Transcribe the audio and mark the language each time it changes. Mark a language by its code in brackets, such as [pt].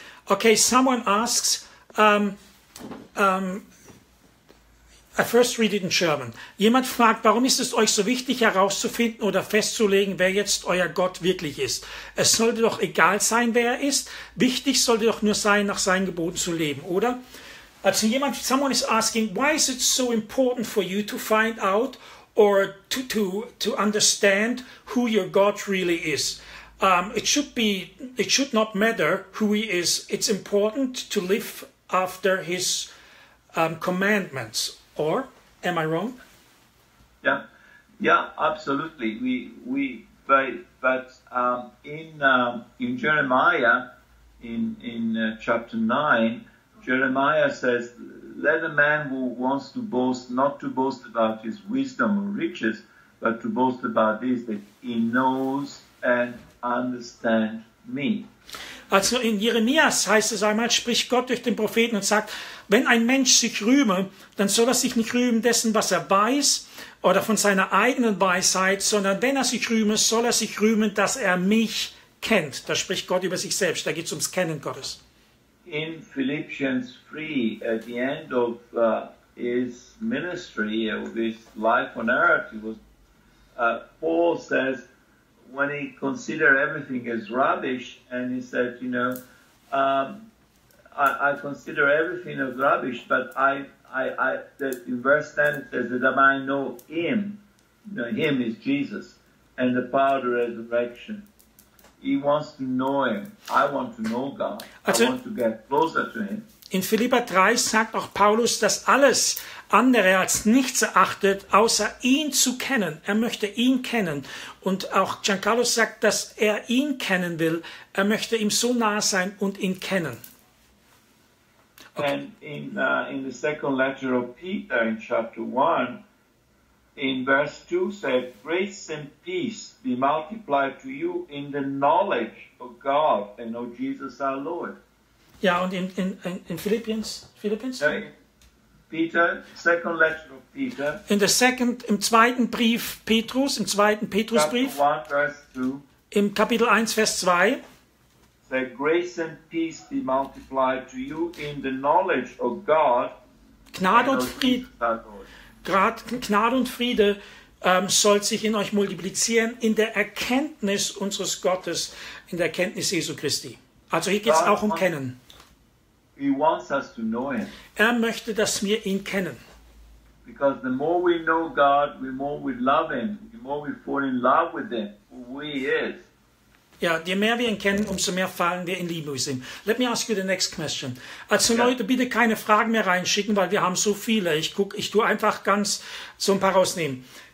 [en] Okay, someone asks, I first read it in German. [de] Jemand fragt, warum ist es euch so wichtig herauszufinden oder festzulegen, wer jetzt euer Gott wirklich ist? Es sollte doch egal sein, wer er ist. Wichtig sollte doch nur sein, nach seinen Geboten zu leben, oder? Also jemand, [en] someone is asking, why is it so important for you to find out or to understand who your God really is? It should not matter who he is. It's important to live after his commandments. Or am I wrong? Yeah, absolutely. In Jeremiah, in chapter 9, Jeremiah says, "Let a man who wants to boast not to boast about his wisdom or riches, but to boast about this that he knows and understand me." [de] Also in Jeremias heißt es einmal, spricht Gott durch den Propheten und sagt, wenn ein Mensch sich rühme, dann soll er sich nicht rühmen dessen, was er weiß oder von seiner eigenen Weisheit, sondern wenn er sich rühme, soll er sich rühmen, dass er mich kennt. Da spricht Gott über sich selbst, da geht es ums Kennen Gottes. [en] In Philippians 3, at the end of his ministry, of his life on earth, Paul says, when he considered everything as rubbish, and he said, you know, I consider everything as rubbish, but I that in verse 10 it says that I know him. You know, him is Jesus, and the power of the resurrection. He wants to know him. I want to know God. Also, I want to get closer to him. [de] In Philippa 3 sagt auch Paulus, dass alles andere als nichts erachtet, außer ihn zu kennen. Er möchte ihn kennen. Und auch Giancarlo sagt, dass er ihn kennen will. Er möchte ihm so nah sein und ihn kennen. Okay. [en] And in the second letter of Peter, in chapter 1, in verse 2, said, "Grace and peace be multiplied to you in the knowledge of God and of Jesus our Lord." [de] Ja, und in Philippians? [en] Peter, second letter of Peter. In the second, [de] im zweiten Brief Petrus, im zweiten Petrusbrief. Im Kapitel 1, Vers 2. [en] That grace and peace be multiplied to you in the knowledge of God. [de] Gnade und Friede soll sich in euch multiplizieren in der Erkenntnis unseres Gottes, in der Erkenntnis Jesu Christi. Also hier geht es auch um Kennen. [en] He wants us to know him. [de] Er möchte, dass wir ihn kennen. [en] Because the more we know God, the more we love him, the more we fall in love with him, who he is. [de] Ja, je mehr wir ihn kennen, umso mehr fallen wir in Liebe mit ihm. [en] Let me ask you the next question. [de] Also Leute, bitte keine Fragen mehr reinschicken, weil wir haben so viele. Ich tue einfach ganz so ein paar rausnehmen.